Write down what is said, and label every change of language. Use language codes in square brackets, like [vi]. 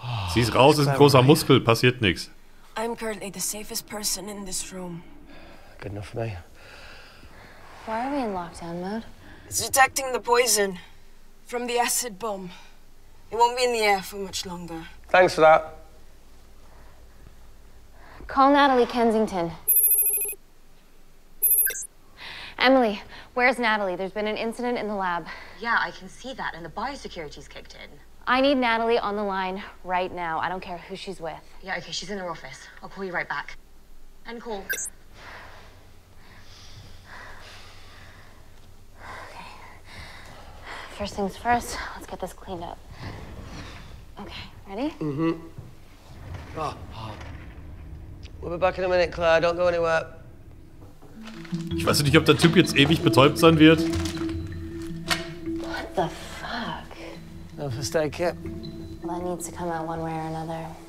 [de] Sie ist raus, ist ein großer Muskel, passiert nichts. [en] I'm currently the safest person in this room. Good enough for me. Why are we in lockdown mode? It's detecting the poison from the acid bomb. It won't be in the air for much longer. Thanks for that. Call Natalie Kensington. Emily, where's Natalie? There's been an incident in the lab. Yeah, I can see that, and the biosecurity's kicked in. I need Natalie on the line right now. I don't care who she's with. Yeah, okay, she's in her office. I'll call you right back. End call. First things first, let's get this cleaned up. Okay, ready? Mm-hmm. We'll be back in a minute, Claire. Don't go anywhere. [de] Ich weiß nicht, ob der Typ jetzt ewig betäubt sein wird. [en] What the fuck? No, for stay, Kip. Well, that needs to come out one way or another.